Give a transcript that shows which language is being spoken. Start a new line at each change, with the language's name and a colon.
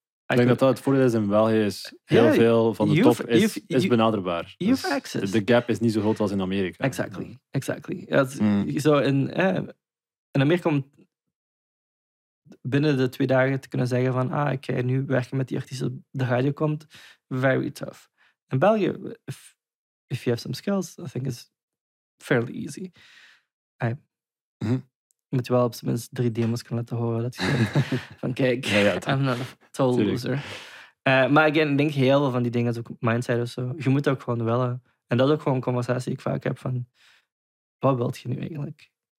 Dutch: Ik denk dat het voordeel is in België, is heel veel van de top is benaderbaar.
English: You've
Dutch: dus
English: access.
Dutch: De gap is niet zo groot als in Amerika.
English: Exactly.
Dutch: Zo in Amerika komt binnen de 2 dagen te kunnen zeggen van, oké, nu werken met die artiest op de radio komt...
English: Very tough. In België, if you have some skills, I think it's fairly easy.
Dutch: Moet je wel op zijn minst 3 demos kunnen laten horen. Dat je van kijk,
English: I'm not a total loser.
Dutch: Maar again, ik denk heel veel van die dingen is ook mindset of zo. Je moet ook gewoon willen. En dat is ook gewoon een conversatie die ik vaak heb van, wat wilt je nu eigenlijk?